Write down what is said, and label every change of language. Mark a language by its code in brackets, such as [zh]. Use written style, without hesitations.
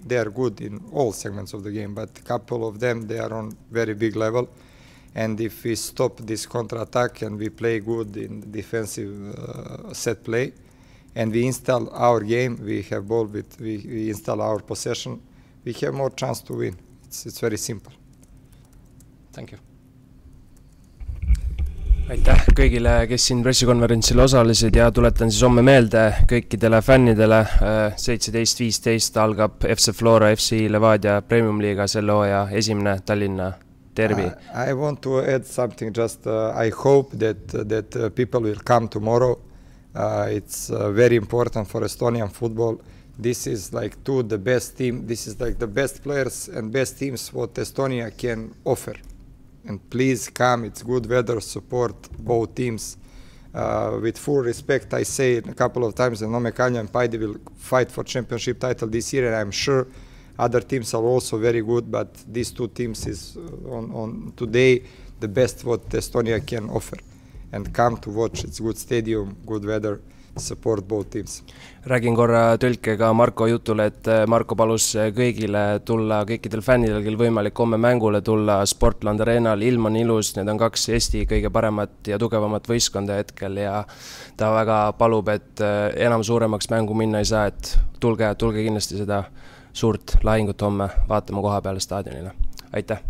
[en] They are good in all segments of the game, but a couple of them, they are on very big level. And if we stop this counter-attack and we play good in defensive set play, and we install our game, we have ball, we install our possession, we have more chance to win. It's very simple. Thank you. [et] Aitäh kõigile, kes siin pressikonverentsil osalesid ja tuletan siis homme meelde kõikidele fännidele. 17.15 algab FC Flora, FC Levadia Premium Liiga selle hooaja esimene Tallinna derbi. [en] I want to add something, just I hope that people will come tomorrow. It's very important for Estonian football. This is like the best team. This is like the best players and best teams what Estonia can offer. And please come. It's good weather. Support both teams. With full respect, I say it a couple of times that Nomekanja and Paidi will fight for championship title this year, and I'm sure other teams are also very good. But these two teams is on today the best what Estonia can offer. And come to watch. It's good stadium, good weather, support both teams. [et] Räägin korra tõlkega Marko jutule, et Marko palus kõigile tulla, kõikidel fännidel, kell võimalik homme mängule tulla Sportland Arenal. Ilm on ilus, need on kaks Eesti kõige paremat ja tugevamat võistkonda hetkel ja ta väga palub, et enam suuremaks mängu minna ei saa, et tulge kindlasti seda suurt lahingut homme vaatama koha peale staadionile. Aitäh!